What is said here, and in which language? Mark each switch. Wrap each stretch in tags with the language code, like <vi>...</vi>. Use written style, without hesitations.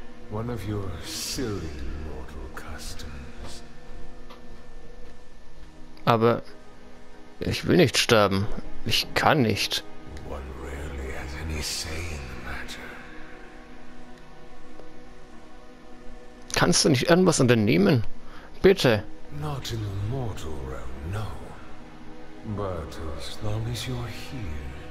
<en>One of your silly mortal customs.</en> <de>Aber ich will nicht sterben. Ich kann nicht.</de> <en>One rarely has any say in the matter.</en> <de>Kannst du nicht irgendwas unternehmen? Bitte.</de> <en>Not in the mortal realm, no. But as long as you're here.</en>